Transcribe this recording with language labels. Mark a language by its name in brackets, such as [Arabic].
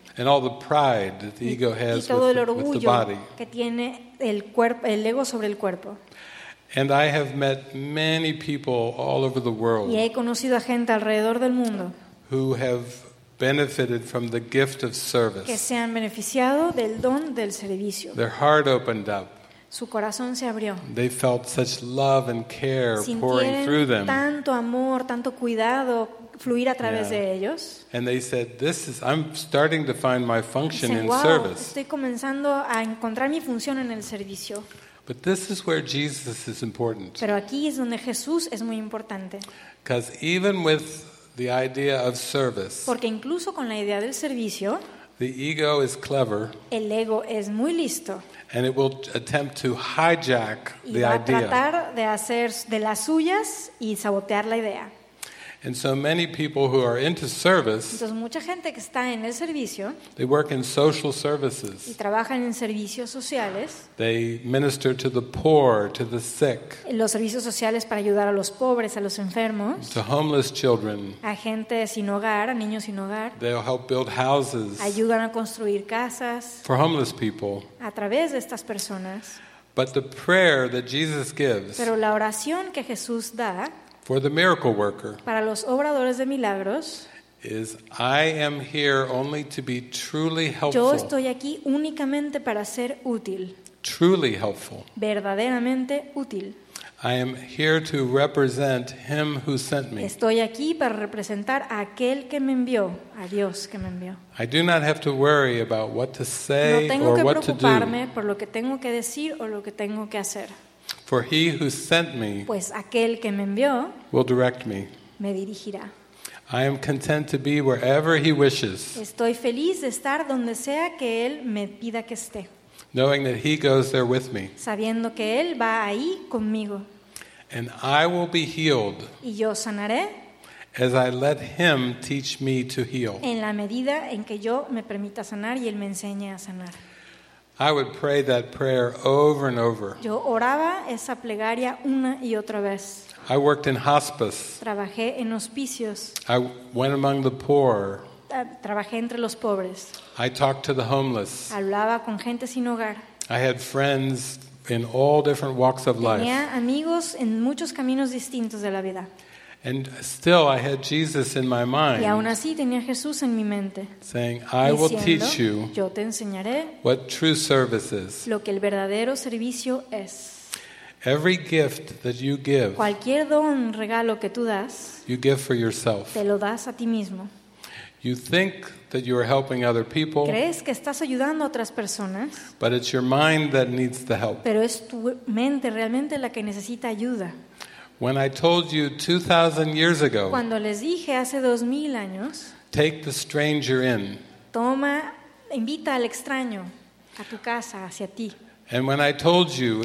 [English] And all the pride that the ego has the body. [Spanish] Y todo el orgullo que tiene el cuerpo, el ego sobre el cuerpo. [English] And I have met many people all over the world. [Spanish] Y he conocido a gente alrededor del mundo. [English] Who have benefited from the gift of service. [Spanish] Que se han beneficiado del don del servicio. [English] Their heart opened up. [Spanish] Su corazón se abrió. [English] They felt such love and care pouring through them. [Spanish] Sintieron tanto amor, tanto cuidado fluir a través de ellos. [English] And they said, "This is I'm starting to find my function [Spanish] dicen, [English] in service." [Spanish] Estoy comenzando a encontrar mi función en el servicio. [English] But this is where Jesus is important. [Spanish] Pero aquí es donde Jesús es muy importante. [English] Because even with the idea of service. [Spanish] Porque incluso con la idea del servicio. [English] The ego is clever. [Spanish] El ego es muy listo. [English] And it will attempt to hijack the idea. [Spanish] Y va a tratar de hacer de las suyas y sabotear la idea. [English] And so many people who are into service, [Spanish] entonces mucha gente que está en el servicio, [English] they work in social services. [Spanish] Y trabajan en servicios sociales. [English] They minister to the poor, to the sick. [Spanish] Los servicios sociales para ayudar a los pobres, a los enfermos. [English] To homeless children. [Spanish] A gente sin hogar, a niños sin hogar. [English] They'll help build houses. [Spanish] Ayudan a construir casas. [English] For homeless people. [Spanish] A través de estas personas. [English] But the prayer that Jesus gives. [Spanish] Pero la oración que Jesús da. [English] For the miracle worker. [Spanish] Para los obradores de milagros. [English] Is I am here only to be truly helpful. [Spanish] Yo estoy aquí únicamente para ser útil. [English] Truly helpful. [Spanish] Verdaderamente útil. [English] I am here to represent him who sent me. [Spanish] Estoy aquí para representar a aquel que me envió, a Dios que me envió. [English] I do not have to worry about what to say or what to do. [Spanish] No tengo que preocuparme por lo que tengo que decir o lo que tengo que hacer. [English] For he who sent me, [Spanish] pues aquel que me envió, [English] will direct me. [Spanish] Me dirigirá. [English] I am content to be wherever he wishes. [Spanish] Estoy feliz de estar donde sea que él me pida que esté. [English] Knowing that he goes there with me. [Spanish] Sabiendo que él va ahí conmigo. [English] And I will be healed. [Spanish] Y yo sanaré. [English] As I let him teach me to heal. [Spanish] En la medida en que yo me permita sanar y él me enseñe a sanar. [English] I would pray that prayer over and over. [Spanish] Yo oraba esa plegaria una y otra vez. [English] I worked in hospice. [Spanish] Trabajé en hospicios. [English] I went among the poor. [Spanish] Trabajé entre los pobres. [English] I talked to the homeless. [Spanish] Hablaba con gente sin hogar. [English] I had friends in all different walks of life. [Spanish] Tenía amigos en muchos caminos distintos de la vida. [English] And still I had Jesus in my mind. [Spanish] Y aún así tenía Jesús en mi mente. [English] Saying, [Spanish] diciendo, [English] I will teach you. [Spanish] Yo te enseñaré. [English] What true service is. [Spanish] Lo que el verdadero servicio es. [English] Every gift that you give. [Spanish] Cualquier don, regalo que tú das. [English] You give for yourself. [Spanish] Te lo das a ti mismo. [English] You think that you are helping other people. [Spanish] Crees que estás ayudando a otras personas. [English] But it's your mind that needs the help. [Spanish] Pero es tu mente realmente la que necesita ayuda. [English] When I told you 2,000 years ago, [Spanish] cuando les dije hace 2,000 años, [English] take the stranger in. [Spanish] Toma, invita al extraño a tu casa, hacia ti. [English] And when I told you,